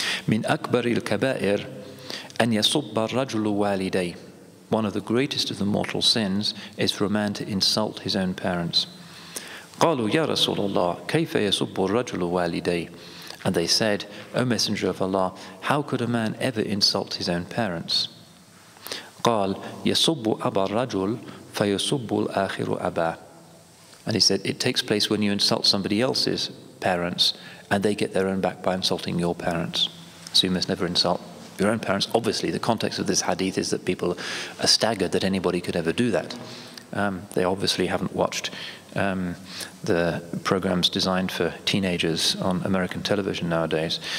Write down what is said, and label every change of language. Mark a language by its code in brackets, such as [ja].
[ar] مِنْ أَكْبَرِ الْكَبَائِرِ أَنْ يَصُبَّ الرَّجُلُ وَالِدَيْهِ. [en] One of the greatest of the mortal sins is for a man to insult his own parents. [ar] قَالُوا يَا رَسُولَ اللَّهِ كَيْفَ يَصُبُّ الرَّجُلُ وَالِدَيْهِ. [en] And they said, O Messenger of Allah, how could a man ever insult his own parents? [ar] قال يصب أبا الرجل فيصب الآخر أبا. [en] And he said, it takes place when you insult somebody else's parents, and they get their own back by insulting your parents. So you must never insult your own parents. Obviously, the context of this hadith is that people are staggered that anybody could ever do that. They obviously haven't watched the programs designed for teenagers on American television nowadays.